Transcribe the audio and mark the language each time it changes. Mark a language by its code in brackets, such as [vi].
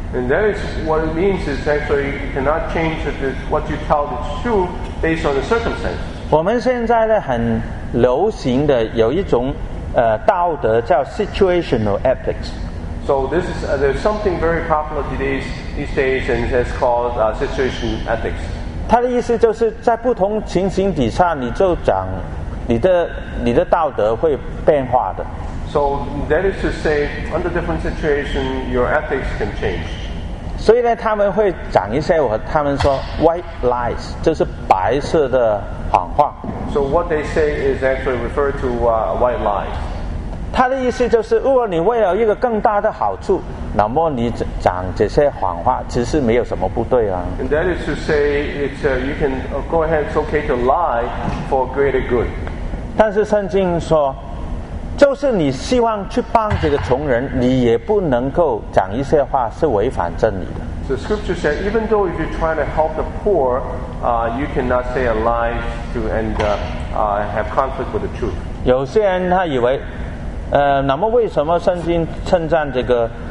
[en] And that is what it means is actually you cannot change what you tell the truth based on the circumstances. [zh] 我们现在呢很流行的有一种道德叫 situational ethics. [en] So this is there's something very popular these days and it's called situation ethics. [zh] 他的意思就是在不同情形底下，你就讲你的道德会变化的。 [en] So that is to say, under different situation, your ethics can change. [zh] 所以呢，他们会讲一些他们说 white lies, 就是白色的谎话。 [en] So what they say is actually refer to white lies. [zh] 他的意思就是，如果你为了一个更大的好处。那么你讲这些谎话，其实没有什么不对啊。 [en] And that is to say, it's you can go ahead. It's okay to lie for greater good. [zh] 但是圣经说，就是你希望去帮这个穷人，你也不能够讲一些话是违反真理的。 [en] So scripture said, even though if you're trying to help the poor, you cannot say a lie to and have conflict with the truth. [zh] 有些人他以为，那么为什么圣经称赞这个？